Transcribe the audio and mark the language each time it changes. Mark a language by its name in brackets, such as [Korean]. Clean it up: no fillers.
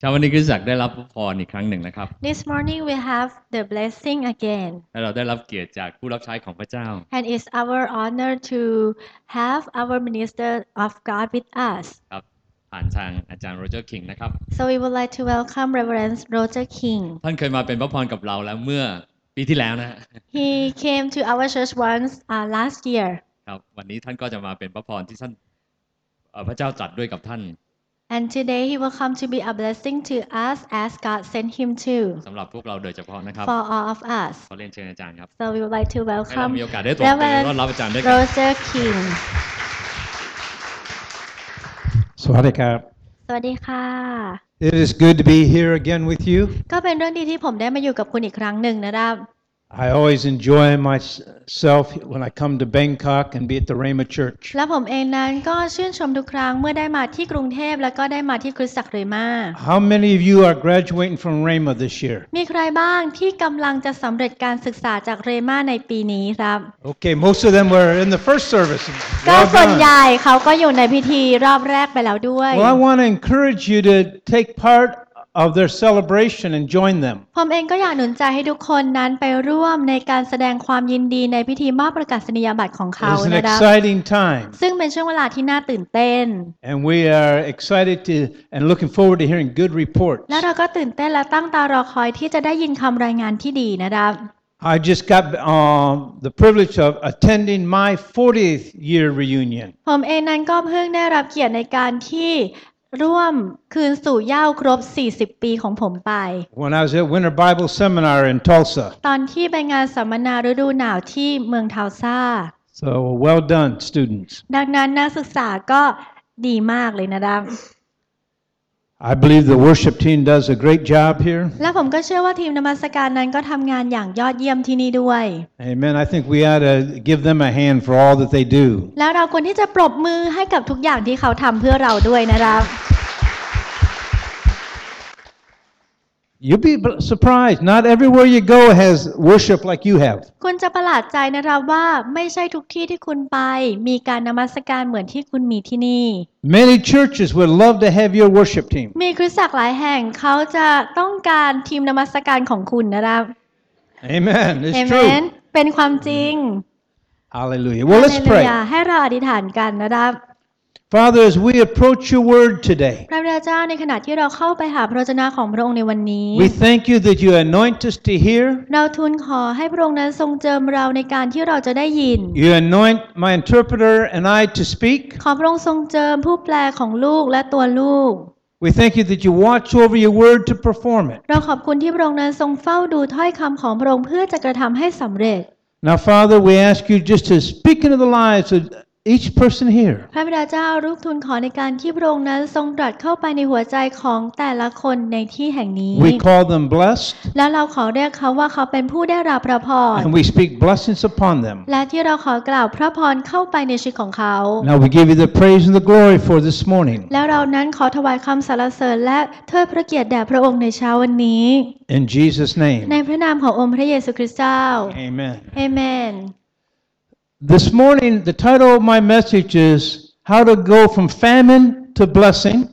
[Thai] เช้าวันนี้คริสตจักรได้รับพรอีกครั้งหนึ่งนะครับ [English] This morning we have the blessing again [Thai] และเราได้รับเกียรติจากผู้รับใช้ของพระเจ้า [English] And it's our honor to have our minister of God with us [Thai] ครับผ่านทางอาจารย์โรเจอร์คิงนะครับ [English] So we would like to welcome Reverend Roger King [Thai] ท่านเคยมาเป็นพระพรกับเราแล้วเมื่อปีที่แล้วนะ [English] He came to our church once last year [Thai] ครับวันนี้ท่านก็จะมาเป็นพระพรที่ท่านพระเจ้าจัดด้วยกับท่าน [English] And today he will come to be a blessing to us as God sent him to. [Thai] สำหรับพวกเราโดยเฉพาะนะครับ [English] For all of us. [Thai] ขอเรียนเชิญอาจารย์ครับ [English] So we would like to welcome. [Thai] ให้เรามีโอกาสได้ตัวเองต้อนรับอาจารย์ด้วยกั น [English] Roger King. [Thai] สวัสดีครับ สวัสดีค่ะ [English] It is good to be here again with you. [Thai] ก็เป็นเรื่องดีที่ผมได้มาอยู่กับคุณอีกครั้งหนึ่งนะครับ [English] I always enjoy myself when I come to Bangkok and be at the Rhema Church. [Thai] และผมเองนั้นก็ชื่นชมทุกครั้งเมื่อได้มาที่กรุงเทพแล้วก็ได้มาที่คริสตจักรเรมา [English] How many of you are graduating from Rhema this year? [Thai] มีใครบ้างที่กำลังจะสำเร็จการศึกษาจากเรมาในปีนี้ครับ [English] Okay, most of them were in the first service. [Thai] ก็ส่วนใหญ่เขาก็อยู่ในพิธีรอบแรกไปแล้วด้วย [English] Well, I want to encourage you to take partOf their celebration and join them. [Thai] ผมเองก็อยากหนุนใจให้ทุกคนนั้นไปร่วมในการแสดงความยินดีในพิธีมอบประกาศนียบัตรของเขานะครับ [English] It's an exciting time. [Thai] ซึ่งเป็นช่วงเวลาที่น่าตื่นเต้น [English] And we are excited to and looking forward to hearing good reports. [Thai] และเราก็ตื่นเต้นและตั้งตารอคอยที่จะได้ยินคำรายงานที่ดีนะครับ [English] I just got the privilege of attending my 40th year reunion. [Thai] ผมเองนั้นก็เพิ่งได้รับเกียรติในการที่ร่วมคืนสู่เหย้าครบ40ปีของผมไป [English] When I was at Winter Bible Seminar in Tulsa [Thai] ตอนที่ไปงานสัมมนาฤดูหนาวที่เมืองทัลซ่า [English] So well done students [Thai] ดังนั้นนักศึกษาก็ดีมากเลยนะครับ [English] I believe the worship team does a great job here [Thai] และผมก็เชื่อว่าทีมนมัสการนั้นก็ทำงานอย่างยอดเยี่ยมที่นี่ด้วย [English] Amen I think we ought to give them a hand for all that they do [Thai] แล้วเราควรที่จะปรบมือให้กับทุกอย่างที่เขาทำเพื่อเราด้วยนะครับ [English] You'd be surprised. Not everywhere you go has worship like you have. [Thai] คุณจะประหลาดใจนะครับว่าไม่ใช่ทุกที่ที่คุณไปมีการนมัสการเหมือนที่คุณมีที่นี่ [English] Many churches would love to have your worship team. [Thai] มีคริสตจักรหลายแห่งเขาจะต้องการทีมนมัสการของคุณนะครับ [English] Amen. It's true. [Thai] เป็นความจริง [English] Hallelujah. Well, let's pray. [Thai] ให้เราอธิษฐานกันนะครับ [English] Father, as we approach your word today, [Thai] พระเจ้าในขณะที่เราเข้าไปหาพระวจนะของพระองค์ในวันนี้ [English] We thank you that you anoint us to hear. [Thai] เราทูลขอให้พระองค์นั้นทรงเจิมเราในการที่เราจะได้ยิน [English] You anoint my interpreter and I to speak. [Thai] ขอพระองค์ทรงเจิมผู้แปลของลูกและตัวลูก [English] We thank you that you watch over your word to perform it. [Thai] เราขอบคุณที่พระองค์นั้นทรงเฝ้าดูถ้อยคำของพระองค์เพื่อจะกระทำให้สำเร็จ [English] Now, Father, we ask you just to speak into the lives ofEach person here. [Thai] พระบิดาเจ้ารูปทูลขอในการที่พระองค์นั้นทรงตรัสเข้าไปในหัวใจของแต่ละคนในที่แห่งนี้ [English] We call them blessed. [Thai] แล้วเราขอเรียกเขาว่าเขาเป็นผู้ได้รับพระพร [English] And we speak blessings upon them. [Thai] และที่เราขอกล่าวพระพรเข้าไปในชีวิตของเขา [English] Now we give you the praise and the glory for this morning. [Thai] แล้วเรานั้นขอถวายคำสรรเสริญและเทิดพระเกียรติแด่พระองค์ในเช้าวันนี้ [English] In Jesus' name. [Thai] ในพระนามขององค์พระเยซูคริสต์เจ้า [English] Amen. Amen. This morning, the title of my message is "How to Go from Famine to Blessing."